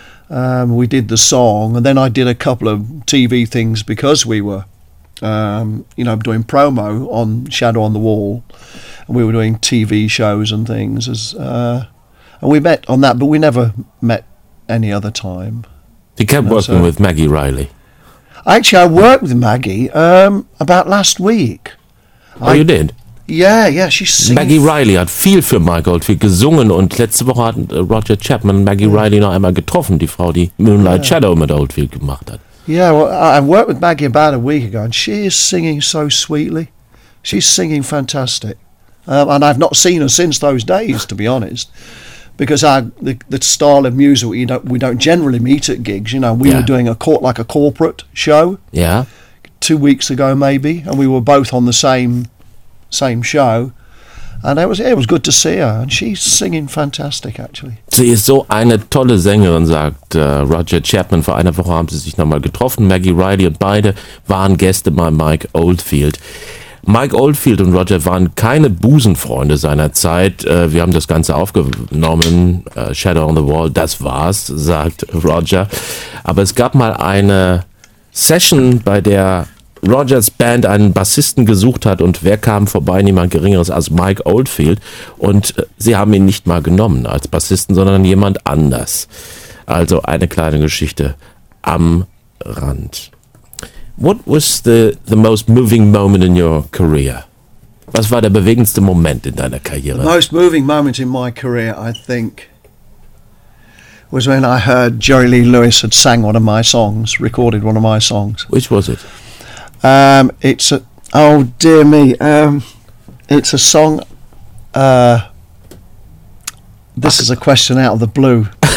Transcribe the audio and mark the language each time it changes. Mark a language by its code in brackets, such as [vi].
[en] We did the song, and then I did a couple of TV things because we were, you know, doing promo on Shadow on the Wall, and we were doing TV shows and things. And we met on that, but we never met any other time. He kept working with Maggie Reilly. Actually, I worked with Maggie about last week. Oh, you did? Yeah, she sings. [de] Maggie Reilly hat viel für Mike Oldfield gesungen und letzte Woche hat Roger Chapman Maggie Reilly noch einmal getroffen, die Frau, die Moonlight Shadow mit Oldfield gemacht hat. [en] Yeah, well, I worked with Maggie about a week ago and she is singing so sweetly. She's singing fantastic. And I've not seen her since those days, to be honest. Because the style of music, we don't generally meet at gigs, you know. We were doing a corporate show. Yeah. 2 weeks ago, maybe, and we were both on the same show, and it was good to see her, and she's singing fantastic, actually. [de] Sie ist so eine tolle Sängerin, sagt Roger Chapman. Vor einer Woche haben sie sich nochmal getroffen, Maggie Reilly, und beide waren Gäste bei Mike Oldfield. Mike Oldfield und Roger waren keine Busenfreunde seiner Zeit. Wir haben das Ganze aufgenommen, Shadow on the Wall, das war's, sagt Roger. Aber es gab mal eine Session, bei der Rogers Band einen Bassisten gesucht hat, und wer kam vorbei? Niemand Geringeres als Mike Oldfield, und sie haben ihn nicht mal genommen als Bassisten, sondern jemand anders. Also eine kleine Geschichte am Rand. [en] What was the most moving moment in your career? [de] Was war der bewegendste Moment in deiner Karriere? [en] The most moving moment in my career, I think, was when I heard Jerry Lee Lewis had sang one of my songs, recorded one of my songs. Which was it? It's a, oh dear me, it's a song, this is a question out of the blue.